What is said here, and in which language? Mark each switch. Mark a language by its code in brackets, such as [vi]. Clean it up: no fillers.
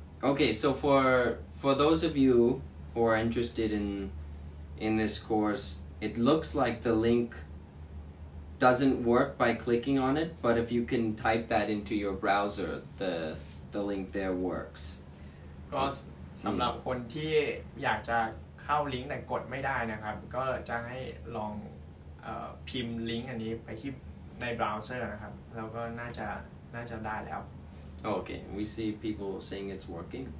[en] Okay, so for those of you who are interested in this course, it looks like the link doesn't work by clicking on it, but if you can type that into your browser, the link there works. [th] ก็สำหรับคนที่อยากจะเข้าลิงก์แต่กดไม่ได้นะครับก็จะให้ลองพิมพ์ลิงก์อันนี้ไปที่ในเบราว์เซอร์นะครับแล้วก็น่าจะได้แล้ว [en] Okay, we see people saying it's working.